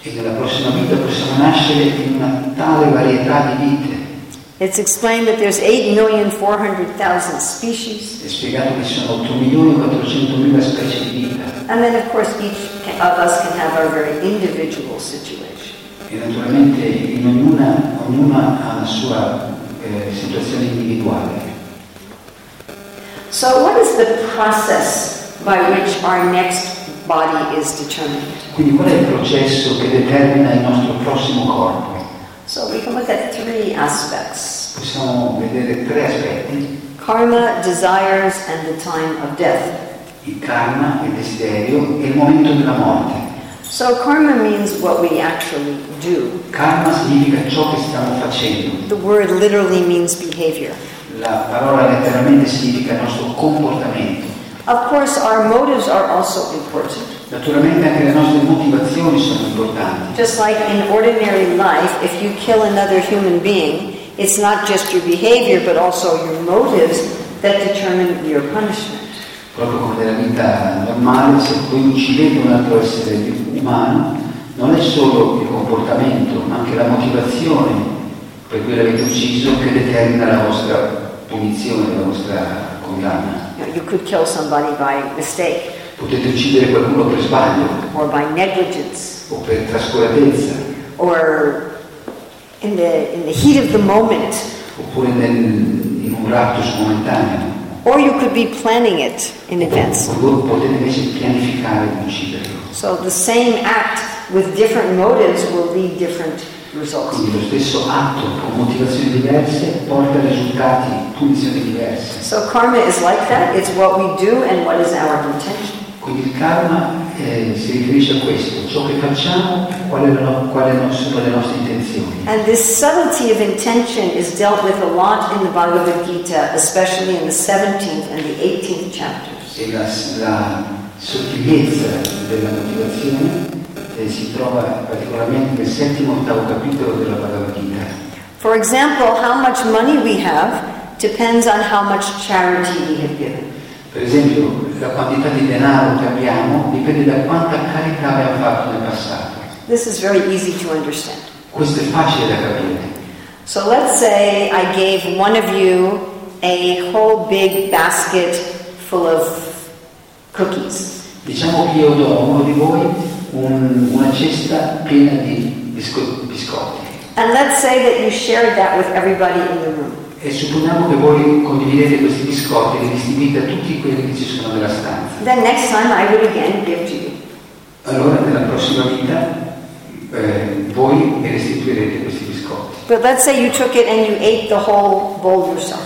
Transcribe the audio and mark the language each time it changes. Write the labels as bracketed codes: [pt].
[it] E nella prossima vita possiamo nascere in una tale varietà di vite. [en] It's explained that there's 8,400,000 species. [it] È spiegato che ci sono 8,400,000 specie di vita. [en] And then of course each of us can have our very individual situation. [it] E naturalmente in ognuna ha la sua situazione individuale. [en] So what is the process by which our next body is determined? [it] Quindi qual è il processo che determina il nostro prossimo corpo? [en] So we can look at three aspects. [it] Possiamo vedere tre aspetti. [en] Karma, desires, and the time of death. [it] Il karma, il desiderio, e il momento della morte. [en] So karma means what we actually do. [it] Karma significa ciò che stiamo facendo. [en] The word literally means behavior. [it] La parola letteralmente significa il nostro comportamento. [en] Of course, our motives are also important. [it] Naturalmente anche le nostre motivazioni sono importanti. [en] Just like in ordinary life, if you kill another human being, it's not just your behavior, but also your motives that determine your punishment. [it] Proprio come nella vita normale, se voi uccidete un altro essere umano, non è solo il comportamento, ma anche la motivazione per cui l'avete ucciso che determina la vostra punizione, la vostra condanna. [en] You could kill somebody by mistake. [it] Potete uccidere qualcuno per sbaglio. [en] Or by negligence. [it] O per trascuratezza. [en] Or in the heat of the moment. [it] Oppure in un raptus momentaneo. [en] Or you could be planning it in advance. [it] Oppure potete invece pianificare di ucciderlo. [en] So the same act with different motives will lead different results. [it] Quindi lo stesso atto con motivazioni diverse porta risultati. [en] So karma is like that. It's what we do and what is our intention. [it] Quindi il karma si riferisce a questo: ciò che facciamo, quale sono le nostre intenzioni. [en] And this subtlety of intention is dealt with a lot in the Bhagavad Gita, especially in the 17th and the 18th chapters. [it] E la sottigliezza della motivazione si trova particolarmente nel settimo e ottavo capitolo della Bhagavad Gita. [en] For example, how much money we have depends on how much charity we have given. [it] Per esempio, la quantità di denaro che abbiamo dipende da quanta carità abbiamo fatto nel passato. [en] This is very easy to understand. [it] Questo è facile da capire. [en] So let's say I gave one of you a whole big basket full of cookies. [it] Diciamo che io do a uno di voi una cesta piena di biscotti. [en] And let's say that you shared that with everybody in the room. [it] E supponiamo che voi condividete questi biscotti e li distribuite a tutti quelli che ci sono nella stanza. [en] Then next time I will again give to you. [it] Allora nella prossima vita voi mi restituirete questi biscotti. [en] But let's say you took it and you ate the whole bowl yourself.